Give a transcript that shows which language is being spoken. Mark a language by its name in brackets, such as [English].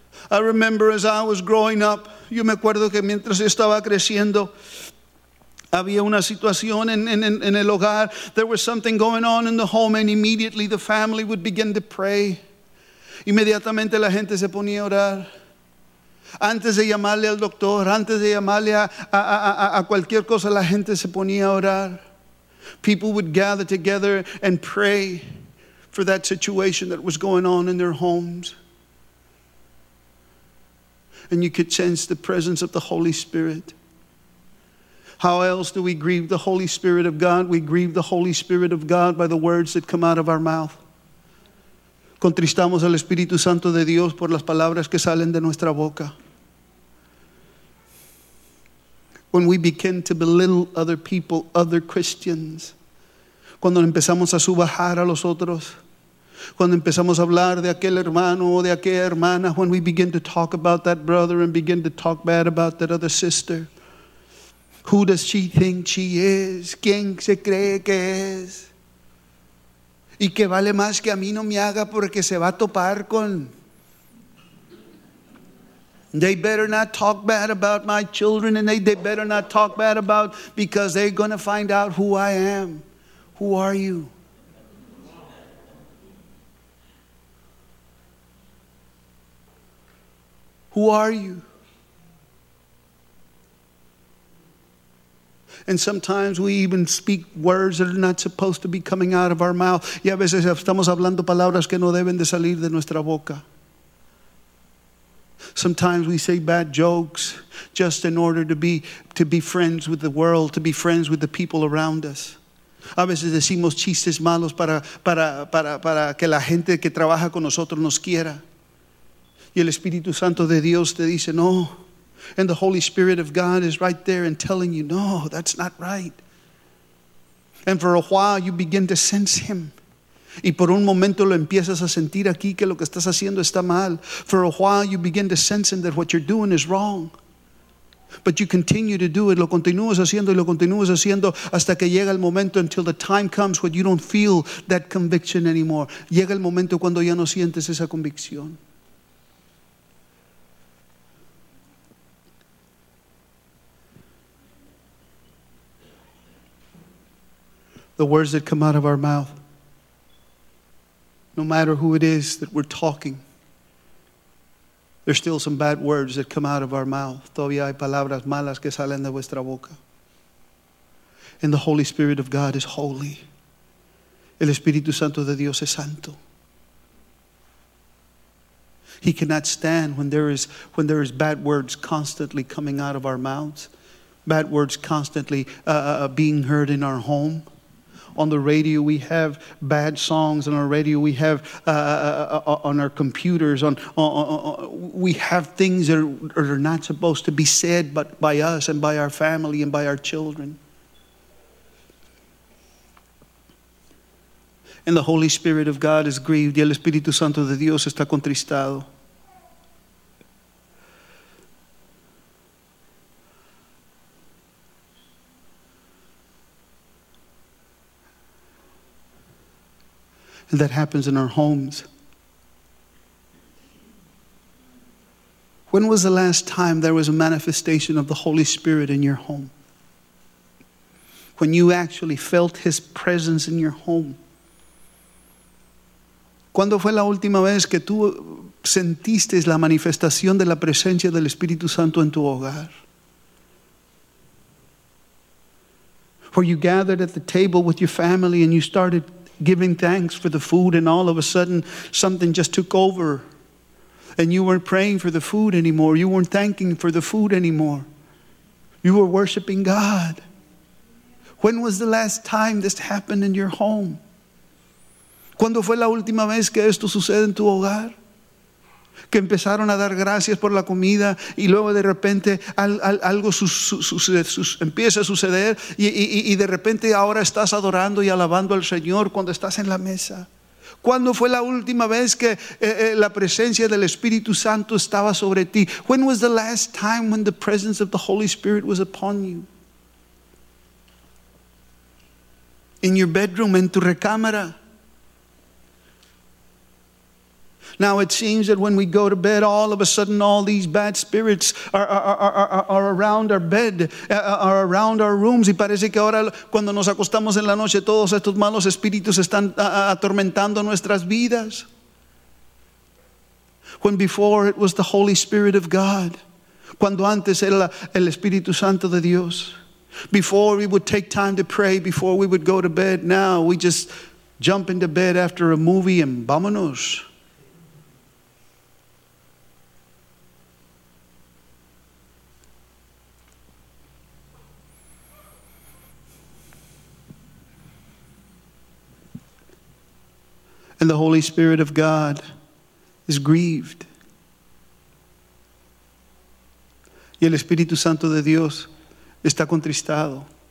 [English] I remember as I was growing up, [Spanish] yo me acuerdo que mientras yo estaba creciendo, había una situación en el hogar. [English] There was something going on in the home, and immediately the family would begin to pray. [Spanish] Inmediatamente la gente se ponía a orar. Antes de llamarle al doctor, antes de llamarle a cualquier cosa, la gente se ponía a orar. [English] People would gather together and pray for that situation that was going on in their homes. And you could sense the presence of the Holy Spirit. How else do we grieve the Holy Spirit of God? We grieve the Holy Spirit of God by the words that come out of our mouth. [Spanish] Contristamos al Espíritu Santo de Dios por las palabras que salen de nuestra boca. [English] When we begin to belittle other people, other Christians. [Spanish] Cuando empezamos a subajar a los otros. Cuando empezamos a hablar de aquel hermano o de aquella hermana. [English] When we begin to talk about that brother and begin to talk bad about that other sister. Who does she think she is? [Spanish] ¿Quién se cree que es? Y que vale más que a mí no me haga porque se va a topar con. [English] They better not talk bad about my children, and they better not talk bad about, because they're going to find out who I am. Who are you? Who are you? And sometimes we even speak words that are not supposed to be coming out of our mouth. [Spanish] Y a veces estamos hablando palabras que no deben de salir de nuestra boca. [English] Sometimes we say bad jokes just in order to be friends with the world, to be friends with the people around us. [Spanish] A veces decimos chistes malos para que la gente que trabaja con nosotros nos quiera. Y el Espíritu Santo de Dios te dice no. [English] And the Holy Spirit of God is right there and telling you, no, that's not right. And for a while you begin to sense him. [Spanish] Y por un momento lo empiezas a sentir aquí que lo que estás haciendo está mal. [English] For a while you begin to sense him that what you're doing is wrong. But you continue to do it. [Spanish] Lo continúas haciendo y lo continúas haciendo hasta que llega el momento, [English] until the time comes when you don't feel that conviction anymore. [Spanish] Llega el momento cuando ya no sientes esa convicción. [English] The words that come out of our mouth, no matter who it is that we're talking, There's still some bad words that come out of our mouth. [Spanish] Todavía hay palabras malas que salen de vuestra boca. [English] And the Holy Spirit of God is holy. [Spanish] El Espíritu Santo de Dios es santo. [English] He cannot stand when there is bad words constantly coming out of our mouths. Bad words constantly being heard in our home. On the radio we have bad songs. On our radio we have on our computers. We have things that are not supposed to be said, but by us and by our family and by our children. And the Holy Spirit of God is grieved. [Spanish] Y el Espíritu Santo de Dios está contristado. [English] And that happens in our homes. When was the last time there was a manifestation of the Holy Spirit in your home? When you actually felt His presence in your home? [Spanish] ¿Cuándo fue la última vez que tú sentiste la manifestación de la presencia del Espíritu Santo en tu hogar? [English] Where you gathered at the table with your family and you started giving thanks for the food, and all of a sudden something just took over and you weren't praying for the food anymore. You weren't thanking for the food anymore. You were worshiping God. When was the last time this happened in your home? [Spanish] ¿Cuándo fue la última vez que esto sucede en tu hogar? Que empezaron a dar gracias por la comida y luego de repente algo empieza a suceder y de repente ahora estás adorando y alabando al Señor cuando estás en la mesa. ¿Cuándo fue la última vez que la presencia del Espíritu Santo estaba sobre ti? [English] When was the last time when the presence of the Holy Spirit was upon you? In your bedroom, [Spanish] en tu recámara. [English] Now it seems that when we go to bed, all of a sudden all these bad spirits are around our bed, are around our rooms. [Spanish] Y parece que ahora cuando nos acostamos en la noche, todos estos malos espíritus están atormentando nuestras vidas. [English] When before it was the Holy Spirit of God. [Spanish] Cuando antes era el Espíritu Santo de Dios. [English] Before we would take time to pray, before we would go to bed. Now we just jump into bed after a movie and [Spanish] vámonos. [English] And the Holy Spirit of God is grieved. [Spanish] Y el Espíritu Santo de Dios está contristado.